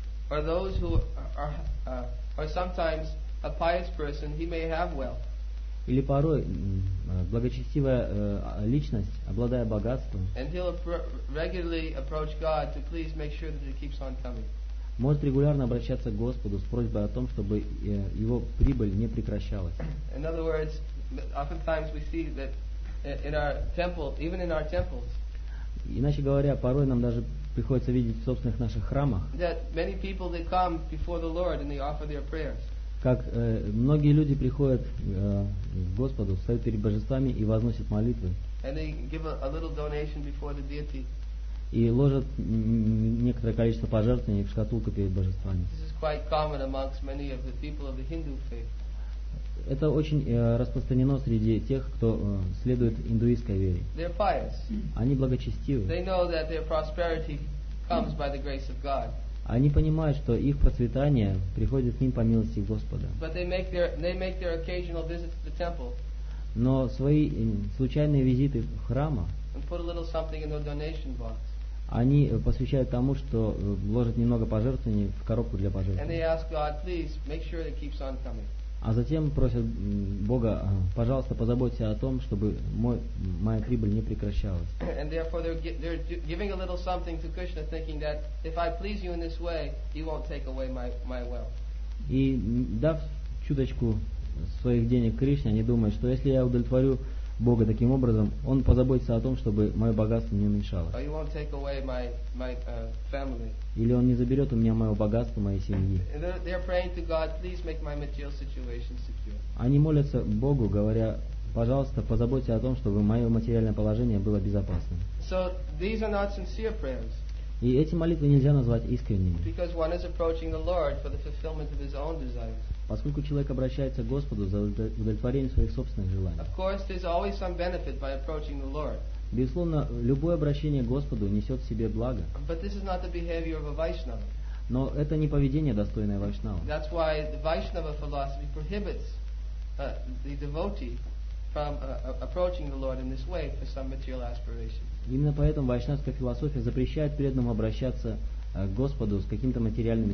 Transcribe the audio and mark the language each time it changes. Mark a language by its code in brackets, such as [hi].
[en] Or those who are sometimes a pious person, he may have wealth. [ru] Или порой благочестивая личность, обладая богатством, [en] and he'll regularly approach God to please make sure that it keeps on coming. [ru] Может регулярно обращаться к Господу с просьбой о том, чтобы его прибыль не прекращалась. [en] In other words, oftentimes we see that in our temple, even in our temples. [ru] Иначе говоря, порой нам даже приходится видеть в собственных наших храмах, [en] that many people they come before the Lord and they offer their prayers. [ru] Как многие люди приходят к Господу, стоят перед божествами и возносят молитвы. [en] And they give a little donation before the deity. [ru] И ложат некоторое количество пожертвований в шкатулку перед божествами. [en] This is quite common amongst many of the people of the Hindu faith. [ru] Это очень распространено среди тех, кто следует индуистской вере. [en] They're pious. [ru] Они благочестивы. [en] They know that their prosperity comes by the grace of God. [ru] Они понимают, что их процветание приходит к ним по милости Господа. [en] But they make their occasional visits to the temple. [ru] Но свои случайные визиты в храма, [en] and put a little something in their donation box. [ru] Они посвящают тому, что вложат немного пожертвований в коробку для пожертвований. [en] And they ask God, please make sure that it keeps on coming. [ru] А затем просят Бога, пожалуйста, позаботься о том, чтобы моя прибыль не прекращалась. [en] And therefore they're giving a little something to Krishna, thinking that if I please you in this way, you won't take away my wealth. [ru] И дав чуточку своих денег Кришне, они думают, что если я удовлетворю Бога таким образом, он позаботится о том, чтобы мое богатство не уменьшалось. [en] Or you won't take away my family. [ru] Или он не заберет у меня мое богатство, моей семьи. [en] They're praying to God, please make my material situation secure. [ru] Они молятся Богу, говоря, пожалуйста, позаботься о том, чтобы мое материальное положение было безопасным. [en] So these are not sincere prayers. [ru] И эти молитвы нельзя назвать искренними. [en] Because one is approaching the Lord for the fulfillment of his own desires. [ru] Поскольку человек обращается к Господу за удовлетворение своих собственных желаний. [en] Of course, there's always some benefit by approaching the Lord. [ru] Безусловно, любое обращение к Господу несет в себе благо. [en] But this is not the behavior of a Vaishnava. [ru] Но это не поведение, достойное Вайшнава. [en] That's why the Vaishnava philosophy prohibits the devotee from approaching the Lord in this way for some material aspiration. [ru] Именно поэтому вайшнавская философия запрещает преданному обращаться к Господу с какими-то материальными